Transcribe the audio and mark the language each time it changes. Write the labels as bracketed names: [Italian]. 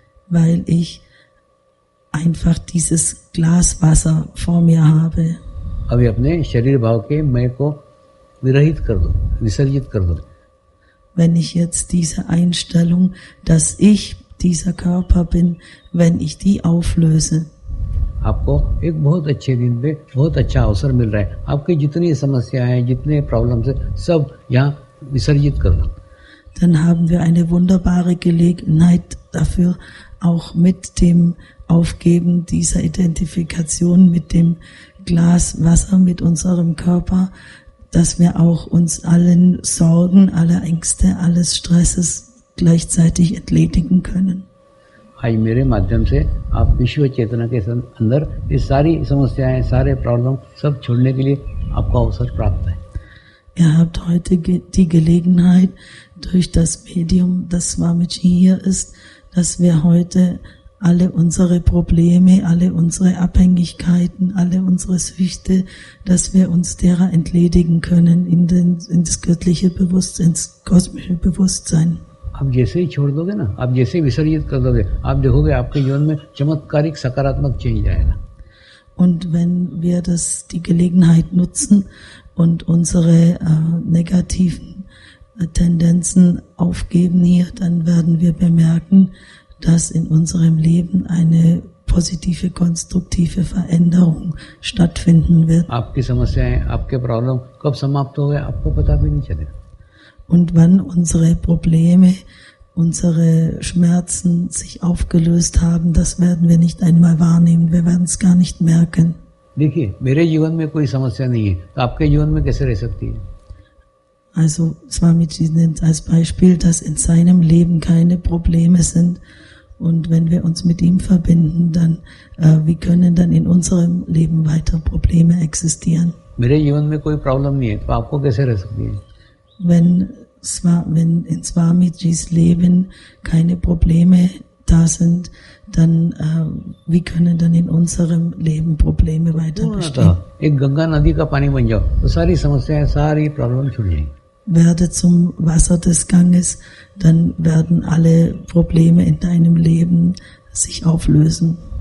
[German] Weil ich einfach dieses Glas Wasser vor mir habe. [Hindi] अभी अपने शरीर भाव के मैं को विरहित कर दो, विसर्जित कर दो. [German] Wenn ich jetzt diese Einstellung, dass ich dieser Körper bin, wenn ich die auflöse. [Hindi] आपको एक बहुत अच्छे दिन पे बहुत अच्छा अवसर मिल रहा है. आपकी जितनी समस्याएं हैं, जितने प्रॉब्लम्स हैं, सब यहाँ विसर्जित कर दो. [German] Dann haben wir eine wunderbare Gelegenheit dafür, auch mit dem Aufgeben dieser Identifikation mit dem Glas Wasser mit unserem Körper, dass wir auch uns allen Sorgen, alle Ängste, alles Stresses gleichzeitig entledigen können. [Hindi] आज मेरे माध्यम से आप विश्व चेतना के अंदर ये सारी समस्याएं, सारे प्रॉब्लम सब छोड़ने के लिए आपको अवसर प्राप्त है. [German] Ihr habt heute die Gelegenheit durch das Medium, das Swamiji hier ist, dass wir heute alle unsere Probleme, alle unsere Abhängigkeiten, alle unsere Süchte, dass wir uns derer entledigen können in den, ins göttliche Bewusstsein, ins kosmische Bewusstsein. [Hindi] आप जैसे ही छोड़ दोगे ना, आप जैसे ही विसर्जित कर दोगे, आप देखोगे आपके जीवन में चमत्कारिक सकारात्मक चेंज आएगा. [German] Und wenn wir das die Gelegenheit nutzen und unsere negativen Tendenzen aufgeben hier, dann werden wir bemerken, dass in unserem Leben eine positive, konstruktive Veränderung stattfinden wird. [Hindi] आपके समस्याएं, आपके प्रॉब्लम कब समाप्त होंगे आपको पता भी नहीं चलेगा. [German] Und wann unsere Probleme, unsere Schmerzen sich aufgelöst haben, das werden wir nicht einmal wahrnehmen, wir werden es gar nicht merken. [Hindi] देखिए, मेरे जीवन में कोई समस्या नहीं है, तो आपके जीवन में कैसे रह सकती है? [German] Also Swamiji nennt als Beispiel, dass in seinem Leben keine Probleme sind. Und wenn wir uns mit ihm verbinden, dann wie können dann in unserem Leben weiter Probleme existieren? [Hindi] मेरे जीवन में कोई प्रॉब्लम नहीं है, तो आपको कैसे रह सकती है? [German] Wenn in Swamijis Leben keine Probleme da sind, dann wie können dann in unserem Leben Probleme weiter bestehen? Werde zum Wasser des Ganges, dann werden alle Probleme in deinem Leben sich auflösen.